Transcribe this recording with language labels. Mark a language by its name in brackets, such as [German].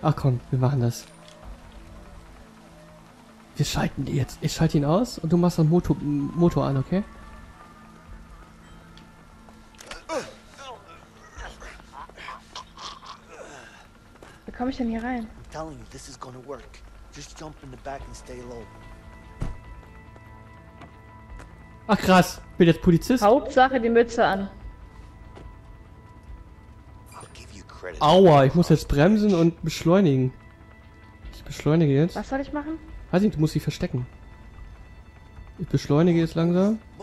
[German] Ach komm, wir machen das. Wir schalten die jetzt. Ich schalte ihn aus und du machst dann Motor an, okay? Wie komme ich denn hier rein? [English] I'm telling you, this is gonna work. Just jump in the back and stay low. [German] Ach krass, bin jetzt Polizist. Hauptsache die Mütze an. Aua, ich muss jetzt bremsen und beschleunigen. Ich beschleunige jetzt. Was soll ich machen? Weiß nicht, du musst dich verstecken. Ich beschleunige jetzt langsam.